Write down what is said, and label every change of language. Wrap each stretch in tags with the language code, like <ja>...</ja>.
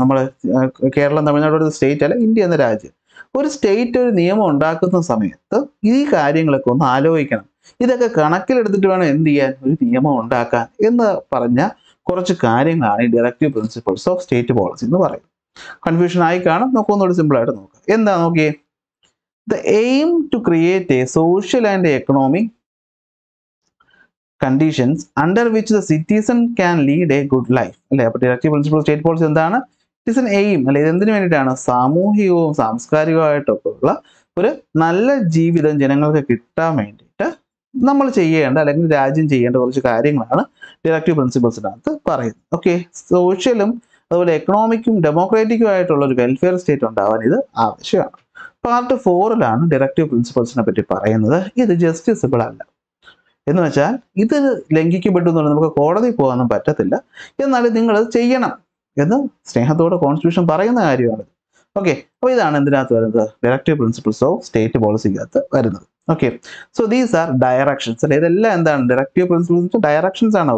<ml>നമ്മൾ കേരളം, തമിഴ്നാട് ഒരു സ്റ്റേറ്റ് അല്ല, ഇന്ത്യ എന്ന രാജ്യം. ഒരു സ്റ്റേറ്റ് ഒരു നിയമം ഉണ്ടാക്കുന്ന സമയത്ത് ഈ കാര്യങ്ങളൊക്കെ ഒന്ന് ആലോചിക്കണം. ഇതൊക്കെ കണക്കിലെടുത്തിട്ട് വേണം എന്ത് ചെയ്യാൻ? ഒരു നിയമം ഉണ്ടാക്കാൻ എന്ന് പറഞ്ഞ കുറച്ച് കാര്യങ്ങളാണ് ഈ directive principles of state policy എന്ന് പറയുന്നത്. കൺഫ്യൂഷൻ ആയി കാണാം, നോക്കൊന്നുകൂടി സിമ്പിളായിട്ട് നോക്കാം. എന്താ നോക്കിയേ?</ml> <en>The aim to create a social and economic conditions under which the citizen can lead a good life.</en> <ml>അല്ലേ? അപ്പോൾ ഡയറക്റ്റീവ് പ്രിൻസിപ്പിൾ സ്റ്റേറ്റ് പോളിസി എന്താണ്?</ml> <en>it is an aim,</en> <ml>അല്ലെ, ഇതെന്തിനു വേണ്ടിയിട്ടാണ്? സാമൂഹികവും സാംസ്കാരികവുമായിട്ടൊക്കെയുള്ള ഒരു നല്ല ജീവിതം ജനങ്ങൾക്ക് കിട്ടാൻ വേണ്ടിയിട്ട് നമ്മൾ ചെയ്യേണ്ട, അല്ലെങ്കിൽ രാജ്യം ചെയ്യേണ്ട കുറച്ച് കാര്യങ്ങളാണ് ഡയറക്റ്റീവ് പ്രിൻസിപ്പിൾസിനകത്ത് പറയുന്നത്. ഓക്കെ, സോഷ്യലും അതുപോലെ എക്കണോമിക്കും ഡെമോക്രാറ്റിക്കും ആയിട്ടുള്ള ഒരു വെൽഫെയർ സ്റ്റേറ്റ് ഉണ്ടാവാൻ ഇത് ആവശ്യമാണ്. പാർട്ട് 4 ഡയറക്റ്റീവ് പ്രിൻസിപ്പിൾസിനെ പറ്റി പറയുന്നത് ഇത് ജസ്റ്റിസിബിൾ അല്ല എന്ന് വെച്ചാൽ ഇത് ലംഘിക്കപ്പെട്ടു എന്ന് പറഞ്ഞാൽ നമുക്ക് കോടതി പോകാനും പറ്റത്തില്ല, എന്നാലും നിങ്ങൾ ചെയ്യണം എന്ന് സ്നേഹത്തോടെ കോൺസ്റ്റിറ്റ്യൂഷൻ പറയുന്ന കാര്യമാണിത്.</ml> <en>Okay, directive principles of state policy. Okay, so these are directions. So, directive principles are directions.</en>